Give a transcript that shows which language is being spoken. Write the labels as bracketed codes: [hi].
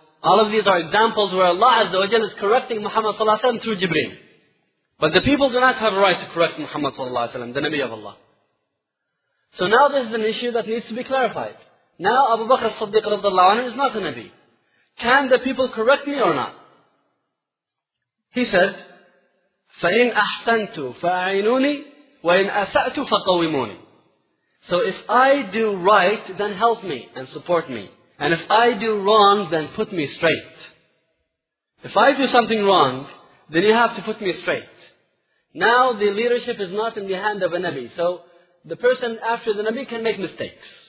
[en] All of these are examples where Allah Azza wa Jalla is correcting Muhammad sallallahu alaihi wasallam through Jibreel. But the people do not have a right to correct Muhammad sallallahu alaihi wasallam, the Nabi of Allah. So now this is an issue that needs to be clarified. Now Abu Bakr as-Siddiq radhiyallahu anhu is not a Nabi. Can the people correct me or not? He said, [ar] فَإِنْ أَحْسَنْتُ فَأَعِنُونِي وَإِنْ أَسَأْتُ فَقَوِّمُونِ. [en] So if I do right, then help me and support me. And if I do wrong, then put me straight. If I do something wrong, then you have to put me straight. Now the leadership is not in the hand of a Nabi. So the person after the Nabi can make mistakes.